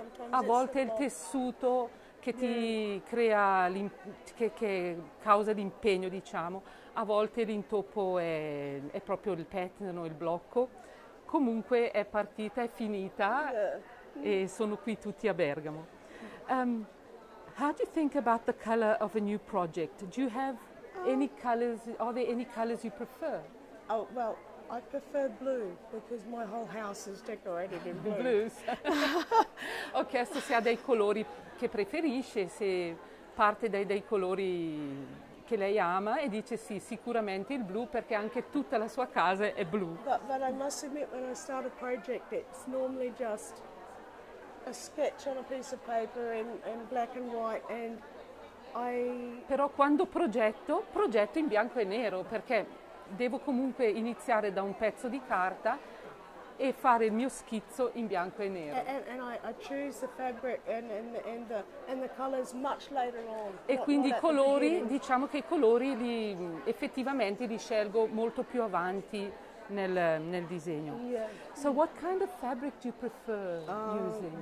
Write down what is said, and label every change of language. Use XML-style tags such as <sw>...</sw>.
<it>A volte il tessuto che ti crea che causa l'impegno, diciamo, a volte l'intoppo è proprio il pattern o il blocco. Comunque è partita, è finita e sono qui tutti a Bergamo.</it> <en>How do you think about the color of a new project? Do you have any colors? Are there any colors you prefer? Oh, well, I prefer blue because my whole house is decorated in blue. Blues.</en> <it>Ho chiesto se ha dei colori che preferisce, se parte dei colori che lei ama, e dice sì, sicuramente il blu, perché anche tutta la sua casa è blu.</it> <en>But I must admit, when I start a project, it's normally just a sketch on a piece of paper and black and white, and I...</en> <it>Però quando progetto in bianco e nero, perché devo comunque iniziare da un pezzo di carta e fare il mio schizzo in bianco e nero.</it> <en>And I choose the fabric and the colors much later on.</en> <it>E quindi i colori, diciamo che i colori effettivamente li scelgo molto più avanti nel disegno.</it> <en>Yeah. So what kind of fabric do you prefer using?</en>